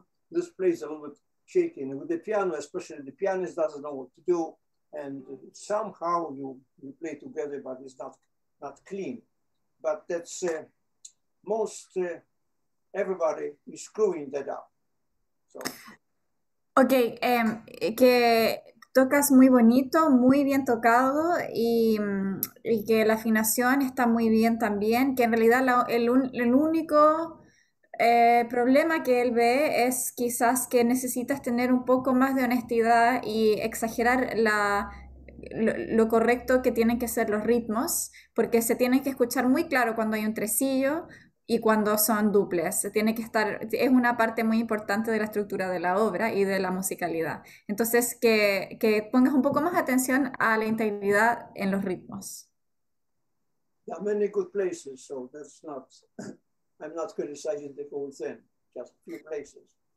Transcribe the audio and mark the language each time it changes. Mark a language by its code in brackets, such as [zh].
[en] This plays a little bit shaking with the piano, especially the pianist doesn't know what to do, and somehow you play together, but it's not clean. But that's most everybody is screwing that up. So. [es] Okay, que tocas muy bonito, muy bien tocado, y que la afinación está muy bien también, que en realidad el único problema que él ve es quizás que necesitas tener un poco más de honestidad y exagerar lo correcto que tienen que ser los ritmos, porque se tienen que escuchar muy claro cuando hay un tresillo y cuando son duples, tiene que estar, es una parte muy importante de la estructura de la obra y de la musicalidad. Entonces, que pongas un poco más atención a la integridad en los ritmos. [en] There are many good places, so that's not, I'm not criticizing the whole thing, just a few places.